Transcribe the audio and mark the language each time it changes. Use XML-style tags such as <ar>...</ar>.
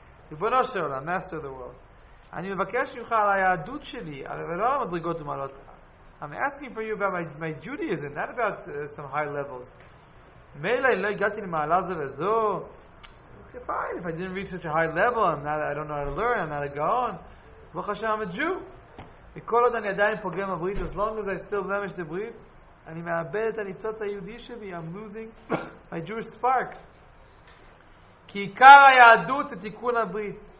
<he>Ribono shel Olam,</he> <en>Master of the World,</en> <he>אני מבקש ממך על היהדות שלי, ולא על המדרגות ומעלות.</he> <en>I'm asking for you about my Judaism, not about some high levels.</en> <he>מילא, לא הגעתי למעלה זו וזו.</he> <en>It's fine, if I didn't reach such a high level, I don't know how to learn, I'm not a gaon. ברוך השם, I'm a Jew.</en> <he>וכל עוד אני עדיין פוגם הברית,</he> <en>as long as I still blemish the brit,</en> <he>אני מאבד את הניצוץ היהודי שלי,</he> <en>I'm losing my Jewish spark.</en> <he>כי עיקר היהדות זה תיקון הברית.</he>